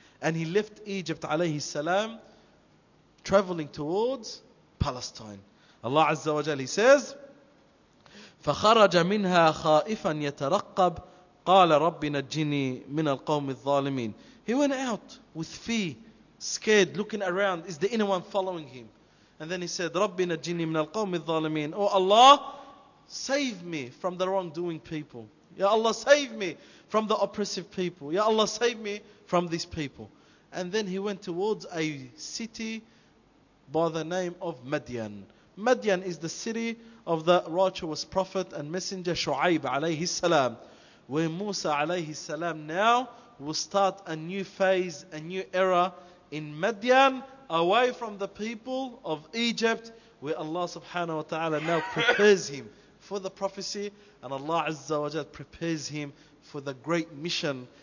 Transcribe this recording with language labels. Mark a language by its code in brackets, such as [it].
[en] And he left Egypt alayhi salam, traveling towards Palestine. Allah Azza wa Jalla, he says, [ar] فَخَرَجَ مِنْهَا خَائِفًا يَتَرَقَّبْ قَالَ رَبِّ نَجِّنِي مِنَ الْقَوْمِ الظَّالِمِينَ. [en] He went out with fear, scared, looking around. Is there anyone following him? And then he said, [ar] رَبِّ نَجِّنِي مِنَ الْقَوْمِ الظَّالِمِينَ. [en] Oh Allah, save me from the wrongdoing people. Ya Allah, save me from the oppressive people. Ya Allah, save me from these people. And then he went towards a city by the name of Madian. Madian is the city of the righteous prophet and messenger Shu'aib alayhi salam, where Musa alayhi salam now will start a new phase, a new era in Madian, away from the people of Egypt, where Allah subhanahu wa ta'ala now prepares him for the prophecy, and Allah azza wa jalla prepares him for the great mission.